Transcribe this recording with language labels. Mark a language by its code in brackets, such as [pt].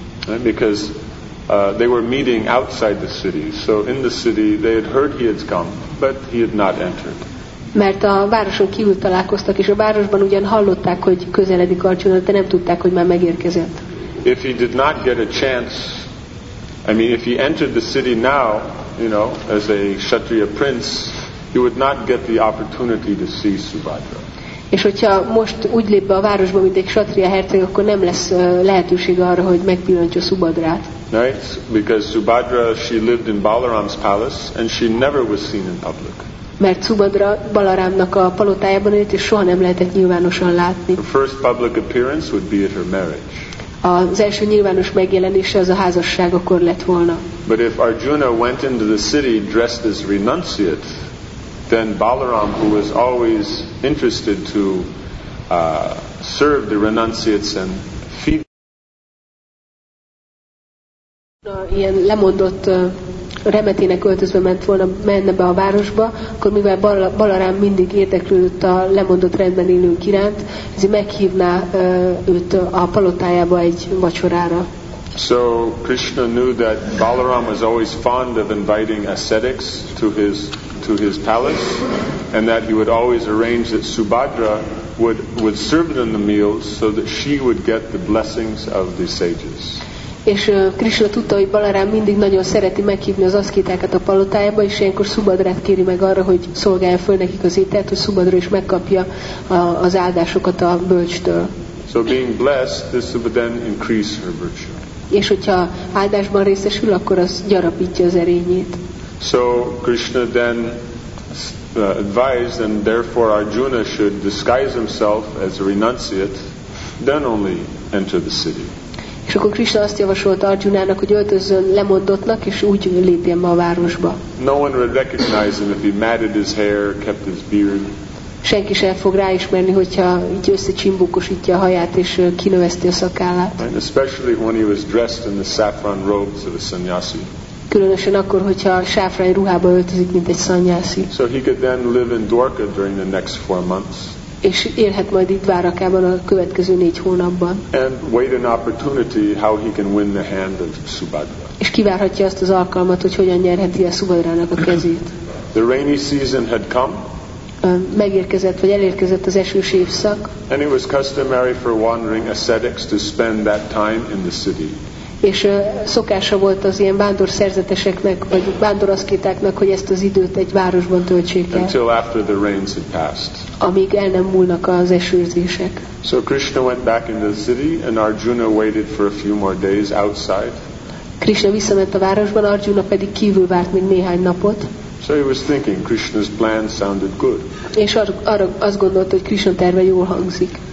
[en] Right, because they were meeting outside the city, so in the city they had heard he had come, but he had not entered. [hu] Mert a városon kívül találkoztak, és a városban ugyan hallották, hogy közeledik Arjuna, de nem tudták, hogy már megérkezett. [en] If he did not get a chance, I mean, if he entered the city now, you know, as a Kshatriya prince, he would not get the opportunity to see Subhadra. [hu] És hogyha most úgy lép be a városba, mint egy Kshatriya herceg, akkor nem lesz lehetőség arra, hogy megpillantja Subhadrát. [en] Right? Because Subhadra, she lived in Balaram's palace, and she never was seen in public. [hu] Mert Subhadra Balarámnak a palotájában élt, és soha nem lehetett nyilvánosan látni. [en] Her first public appearance would be at her marriage. [hu] Az első nyilvános megjelenése az a házasság akkor lett volna. [en] But if Arjuna went into the city dressed as renunciate, then Balaram, who was always interested to serve the renunciates and feed [hu] ilyen lemondott remetének öltözve ment volna, menne be a városba, akkor mivel Balaram mindig érdeklődött a lemondott rendben élők iránt, ezért meghívná őt a palotájába egy vacsorára. [en] So Krishna knew that Balaram was always fond of inviting ascetics to his palace, and that he would always arrange that Subhadra would serve them the meals so that she would get the blessings of the sages. [hu] És Krishna tudta, hogy Balaram mindig nagyon szereti meghívni az aszkétákat a palotájába, és ilyenkor Subhadrát kéri meg arra, hogy szolgálja föl nekik az ételt, hogy Subhadra is megkapja az áldásokat a bölcstől. [en] So being blessed, this would then increase her virtue. [hu] És hogyha áldásban részesül, akkor az gyarapítja az erényét. [en] So Krishna then advised, and therefore Arjuna should disguise himself as a renunciate, then only enter the city. [hu] És akkor Krishna azt javasolta Arjunának, hogy öltözzön lemondottnak, és úgy lépjen be a városba. [en] No one would recognize him if he matted his hair, kept his beard. [hu] Senki sem fog ráismerni, hogyha így összecsimbókosítja a haját és kinöveszti a szakállát. [en] And especially when he was dressed in the saffron robes of a sannyasi. [hu] Különösen akkor, hogyha sáfrány ruhába öltözik, mint egy sannyasi. [en] So he could then live in Dwarka during the next four months. [hu] És élhet majd itt Dvárakában a következő négy hónapban. [en] And wait an opportunity how he can win the hand of Subhadra. [hu] És kivárhatja azt az alkalmat, hogy hogyan nyerheti el Subhadrának a kezét. [en] The rainy season had come. [hu] Megérkezett vagy elérkezett az esős évszak. [en] And it was customary for wandering ascetics to spend that time in the city. [hu] És szokása volt az ilyen vándor szerzeteseknek, vagy vándor aszkétáknak, hogy ezt az időt egy városban töltsék el. [en] Until after the rains had passed. [hu] Amíg el nem múlnak az esőzések. [en] So Krishna went back into the city, and Arjuna waited for a few more days outside. [hu] Krishna visszament a városban, Arjuna pedig kívül várt még néhány napot. [en] So he was thinking, Krishna's plan sounded good. [hu] És arra azt gondolta, hogy Krishna terve jól hangzik.